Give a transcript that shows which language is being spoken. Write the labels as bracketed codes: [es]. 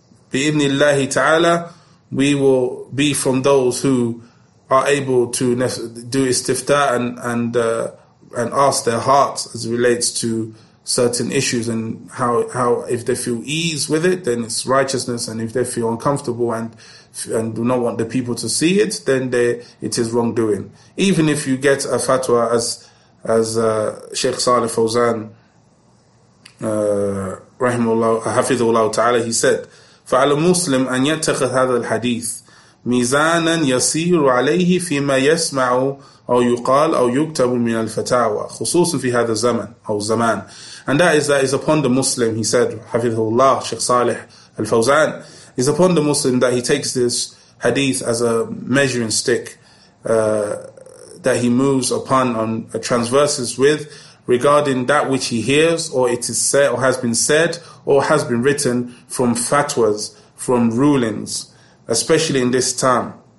[en] bi'ibnillahi ta'ala, we will be from those who are able to do istiftah and ask their hearts as it relates to certain issues, and how if they feel ease with it, then it's righteousness, and if they feel uncomfortable and do not want the people to see it, then it is wrongdoing. [ar] Even if you get a fatwa, as Sheikh Saleh Fawzan, rahimahullah, hafizahullah ta'ala, he said, فَعَلَى مُسْلِمْ أَنْ يَتَّخِذْ هَذَا الْحَدِيثِ مِيزَانًا يَسِيرُ عَلَيْهِ فِي مَا يَسْمَعُ أَوْ يُقَالْ أَوْ يُكْتَبُ مِنَ الْفَتَاوَى خُصُوصًا فِي هَذَا الزَّمَنْ. [en] And that is upon the Muslim, he said, hafizahullah, Sheikh Saleh Al-Fawzan, is upon the Muslim that he takes this hadith as a measuring stick that he moves upon and transverses with regarding that which he hears, or it is said, or has been said, or has been written from fatwas, from rulings, especially in this time.